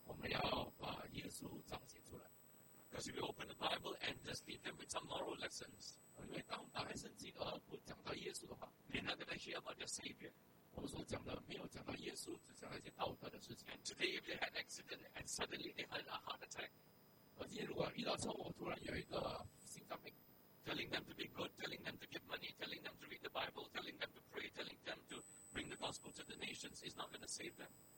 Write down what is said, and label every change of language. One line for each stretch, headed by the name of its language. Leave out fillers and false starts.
English: Because if you open the Bible and just leave them with some moral lessons, you're not going to hear about your Savior.
Chinese: 我们所讲的没有讲到耶稣,
English: and today, if they had an accident and suddenly they had a heart attack,
Chinese: 而今天如果遇到车祸突然有一个心脏病,
English: telling them to be good, telling them to give money, telling them to read the Bible, telling them to pray, telling them to bring the gospel to the nations is not going to save them.